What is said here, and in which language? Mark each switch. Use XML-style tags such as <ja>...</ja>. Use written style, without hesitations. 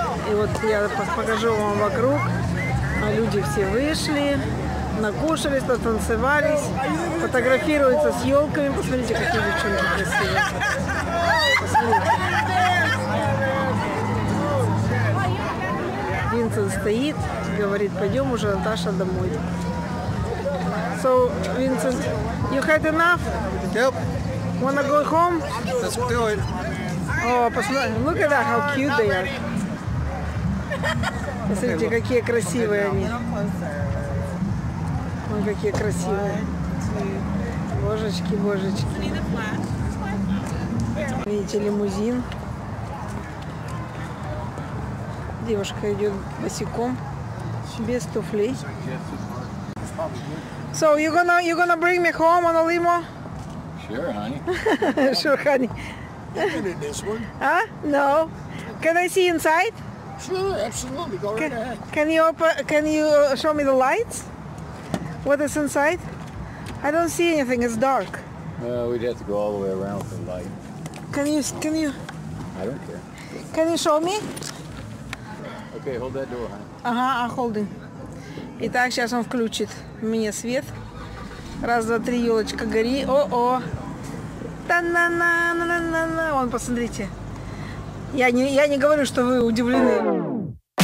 <ru>И вот я покажу вам вокруг. Люди все вышли, накушались, натанцевались, фотографируются с елками. Посмотрите, какие девчонки красивые. Посмотрите. Винсент стоит, говорит, пойдем уже, Наташа, домой.</ru> <en>So, Vincent, you had enough? Yep. Wanna go home? Let's do it. Oh, look at that, how cute they are.</en> <ru>Посмотрите, okay, какие красивые они. Ой, какие красивые. Божечки, божечки. Видите, лимузин. Девушка идет босиком, без туфлей.</ru> <en>So you gonna bring me home on a limo? Sure, honey. Sure, honey. You've been in this one? No. Can I see inside? Sure, absolutely. Go right ahead. Can you show me the lights? What is inside? I don't see anything. It's dark. We'd have to go all the way around for the light. Can you? I don't care. Can you show me? Okay, hold that door, honey. Ага, I'm holding.</en> <ru>Итак, сейчас он включит мне свет. Раз, два, три, елочка, гори. О-о! Та-на-на-на-на-на-на! Вон, посмотрите. Я не говорю, что вы удивлены.</ru>